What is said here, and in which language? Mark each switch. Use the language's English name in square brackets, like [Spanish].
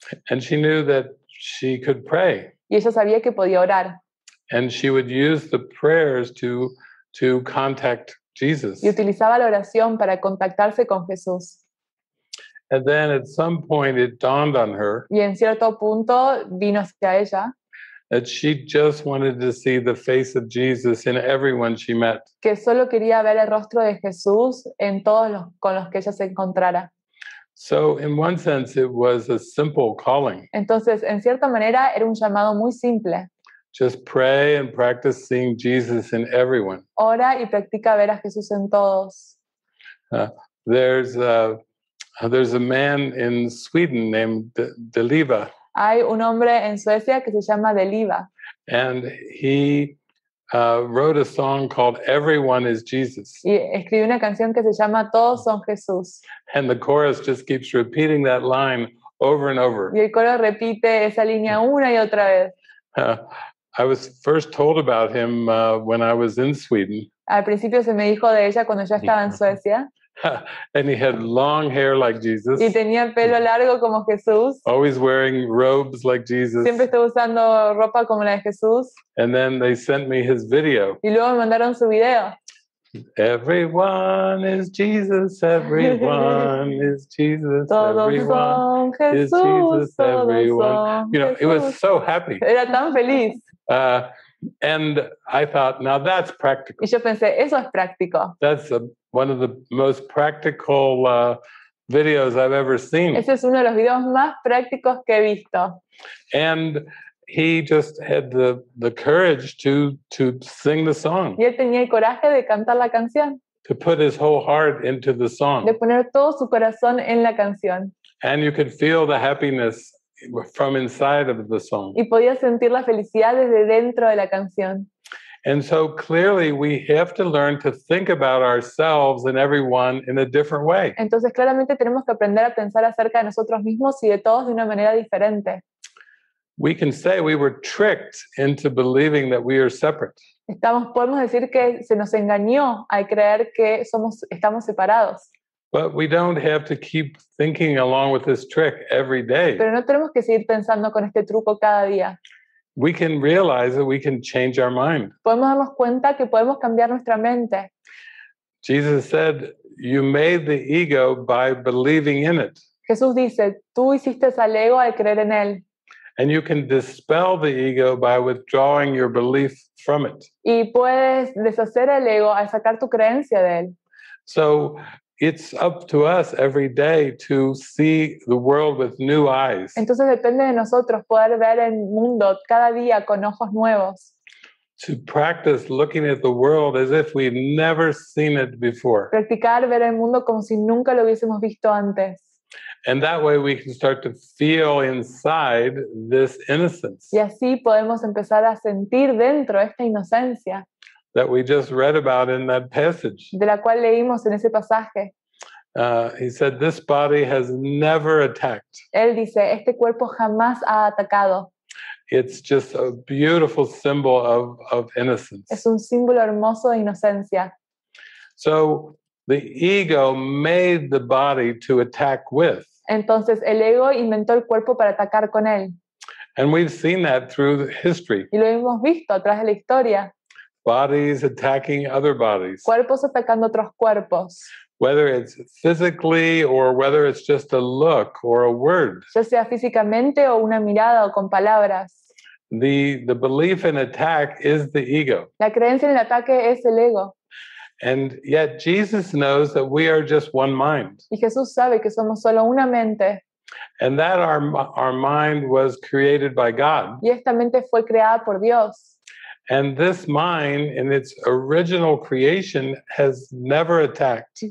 [English] And she knew that she could pray. [Spanish] Y ella sabía que podía orar. [English] And she would use the prayers to contact Jesus. [Spanish] Y utilizaba la oración para contactarse con Jesús. [English] And then at some point it dawned on her. [Spanish] Y en cierto punto vino hacia ella. [English] That she just wanted to see the face of Jesus in everyone she met. [Spanish] Que solo quería ver el rostro de Jesús en todos los con los que ella se encontrara. [English] So in one sense it was a simple calling. [Spanish] Entonces, en cierta manera era un llamado muy simple. [English] Just pray and practice seeing Jesus in everyone. [Spanish] Ora y practica ver a Jesús en todos. [English] There's a man in Sweden named Deliva. [Spanish] Hay un hombre en Suecia que se llama Deliva. [English] And he wrote a song called Everyone is Jesus. [Spanish] Y escribió una canción que se llama Todos son Jesús. [English] And the chorus just keeps repeating that line over and over. [Spanish] Y el coro repite esa línea una y otra vez. [English] I was first told about him when I was in Sweden. [Spanish] Al principio se me dijo de ella cuando ya estaba en Suecia. [English] And he had long hair like Jesus. [Spanish] Y tenía el pelo largo como Jesús. [English] Always wearing robes like Jesus. [Spanish] Siempre estaba usando ropa como la de Jesús. [English] And then they sent me his video. [Spanish] Y luego me mandaron su video. [English] Everyone is Jesus. Everyone is Jesus. [Spanish] Todos son Jesús. Everyone. [English] You know, it was so happy. [Spanish] Era tan feliz. [English] And I thought, now that's practical. [Spanish] Y yo pensé, eso es práctico. [English] That's one of the most practical videos I've ever seen. [Spanish] Ese es uno de los videos más prácticos que he visto. [English] And he just had the courage to sing the song. [Spanish] Y él tenía el coraje de cantar la canción. [English] To put his whole heart into the song. [Spanish] De poner todo su corazón en la canción. [English] And you could feel the happiness from inside of the song. [Spanish] Y podía sentir la felicidad desde dentro de la canción. [English] And so clearly we have to learn to think about ourselves and everyone in a different way. [Spanish] Entonces claramente tenemos que aprender a pensar acerca de nosotros mismos y de todos de una manera diferente. [English] We can say we were tricked into believing that we are separate. [Spanish] Podemos decir que se nos engañó al creer que estamos separados. [English] But we don't have to keep thinking along with this trick every day. [Spanish] Pero no tenemos que seguir pensando con este truco cada día. [English] We can realize that we can change our mind. [Spanish] Podemos darnos cuenta que podemos cambiar nuestra mente. [English] Jesus said, "You made the ego by believing in it." [Spanish] Jesús dice, tú hiciste al ego al creer en él. [English] And you can dispel the ego by withdrawing your belief from it. [Spanish] Y puedes deshacer el ego al sacar tu creencia de él. [English] So it's up to us every day to see the world with new eyes. [Spanish] Entonces depende de nosotros poder ver el mundo cada día con ojos nuevos. [English] To practice looking at the world as if we've never seen it before. [Spanish] Practicar ver el mundo como si nunca lo hubiésemos visto antes. [English] And that way we can start to feel inside this innocence. [Spanish] Y así podemos empezar a sentir dentro esta inocencia. [English] That we just read about in that passage. [Spanish] De la cual leímos en ese pasaje. [English] He said, "This body has never attacked." [Spanish] Él dice, este cuerpo jamás ha atacado. [English] It's just a beautiful symbol of innocence. [Spanish] Es un símbolo hermoso de inocencia. [English] So the ego made the body to attack with. [Spanish] Entonces el ego inventó el cuerpo para atacar con él. [English] And we've seen that through history. [Spanish] Y lo hemos visto a través de la historia. [English] Bodies attacking other bodies. [Spanish] Cuerpos atacando otros cuerpos. [English] Whether it's physically or whether it's just a look or a word. [Spanish] Ya sea físicamente o una mirada o con palabras. [English] The belief in attack is the ego. [Spanish] La creencia en el ataque es el ego. [English] And yet Jesus knows that we are just one mind. [Spanish] Y Jesús sabe que somos solo una mente. [English] And that our mind was created by God. [Spanish] Y esta mente fue creada por Dios. [English] And this mind in its original creation has never attacked.